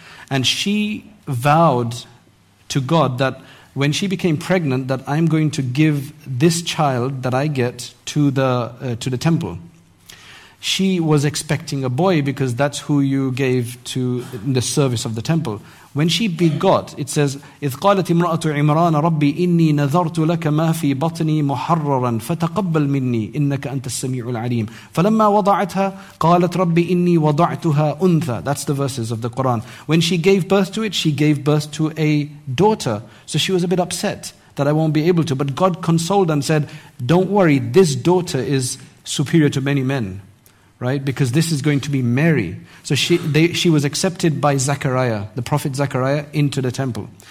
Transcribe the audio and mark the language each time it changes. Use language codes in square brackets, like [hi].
[en] And she vowed to God that when she became pregnant, that I'm going to give this child that I get to the temple. She was expecting a boy because that's who you gave to in the service of the temple. When she begot, it says, [ar] إِذْ قَالَتْ إِمْرَأَةُ عِمْرَانَ رَبِّ إِنِّي نَذَرْتُ لَكَ مَا فِي بَطْنِي مُحَرَّرًا فَتَقَبَّلْ مِنِّي إِنَّكَ أَنْتَ السَّمِيعُ الْعَلِيمُ فَلَمَّا وَضَعَتْهَا قَالَتْ رَبِّ إِنِّي وَضَعْتُهَا أُنْثَى. [en] That's the verses of the Quran. When she gave birth to it, she gave birth to a daughter. So she was a bit upset that I won't be able to. But God consoled and said, don't worry, this daughter is superior to many men. Right, because this is going to be Mary. So she was accepted by Zechariah, the prophet Zechariah, into the temple.